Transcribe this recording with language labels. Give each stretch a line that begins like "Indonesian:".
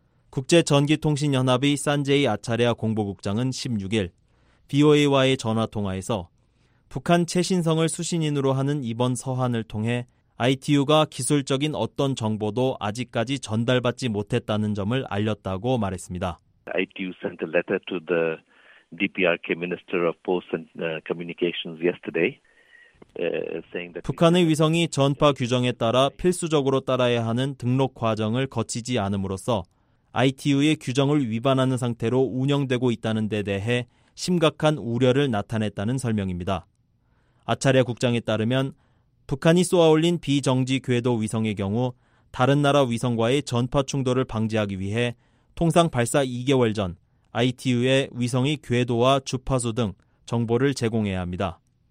Korean: 국제전기통신연합의 산제이 아차레아 공보국장은 16일 BOA와의 전화통화에서 북한 최신성을 수신인으로 하는 이번 서한을 통해 ITU가 기술적인 어떤 정보도 아직까지 전달받지 못했다는 점을 알렸다고 말했습니다.
English: ITU sent a letter to the DPRK Minister of Posts and Communications yesterday.
Korean: 북한의 위성이 전파 규정에 따라 필수적으로 따라야 하는 등록 과정을 거치지 않음으로써 ITU의 규정을 위반하는 상태로 운영되고 있다는 데 대해 심각한 우려를 나타냈다는 설명입니다. 아차레 국장에 따르면 북한이 쏘아올린 비정지 궤도 위성의 경우 다른 나라 위성과의 전파 충돌을 방지하기 위해 통상 발사 2개월 전 ITU의 위성이 궤도와 주파수 등 정보를 제공해야 합니다.